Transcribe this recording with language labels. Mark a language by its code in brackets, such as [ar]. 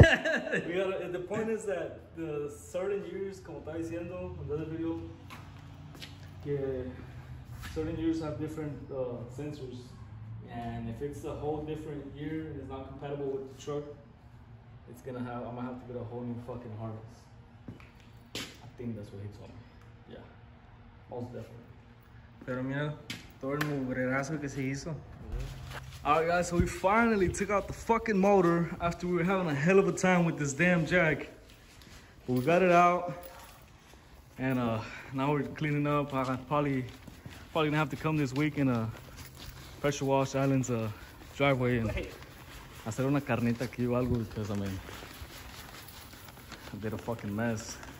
[en] The point is that the certain years, como estaba diciendo en another video, que certain years have different sensors, and if it's a whole different year and it's not compatible with the truck, I'm gonna have to get a whole new fucking harness. I think that's what he told me. Yeah, most definitely. [es] Pero mira todo el mugrerazo que se hizo. [en] Alright guys, so we finally took out the fucking motor after we were having a hell of a time with this damn jack. But we got it out. And now we're cleaning up. I'm probably gonna have to come this week and pressure wash Allen's driveway and hacer una carnita aquí o algo because I did a fucking mess.